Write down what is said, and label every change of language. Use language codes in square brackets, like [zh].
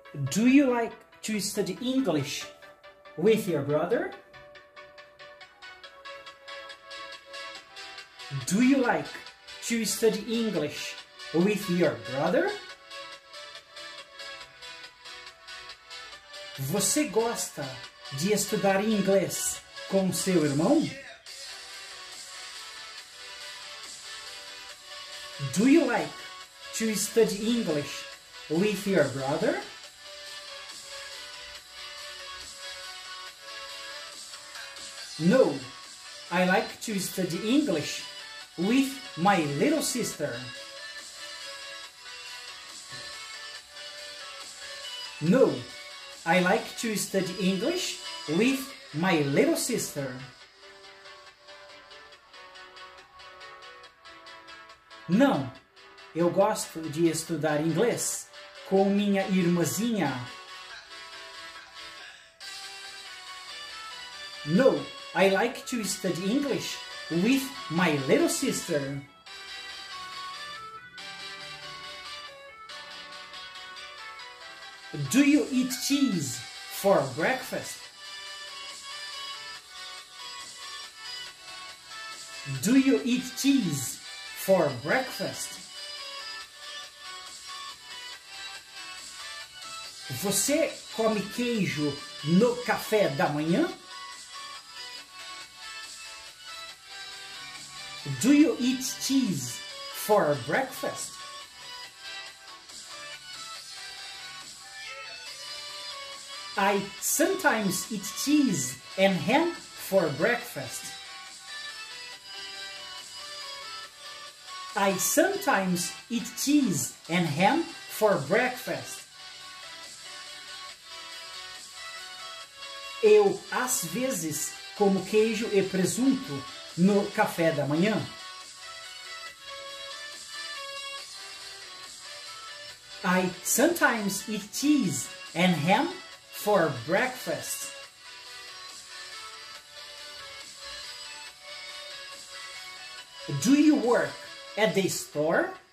[en] Do you like to study English with your brother? Do you like to study English with your brother? [pt] Você gosta de estudar inglês com seu irmão? [en] Do you like to study English with your brother? No, I like to study English with my little sister. No, I like to study English with my little sister. [pt] Não, eu gosto de estudar inglês com minha irmãzinha. [en] No, I like to study English with my little sister. Do you eat cheese for breakfast? Do you eat cheese for breakfast? [pt] Você come queijo no café da manhã? [en] Do you eat cheese for breakfast? I sometimes eat cheese and ham for breakfast. I sometimes eat cheese and ham for breakfast. [pt] Eu às vezes como queijo e presunto no café da manhã. [en] I sometimes eat cheese and ham for breakfast. Do you work at the store?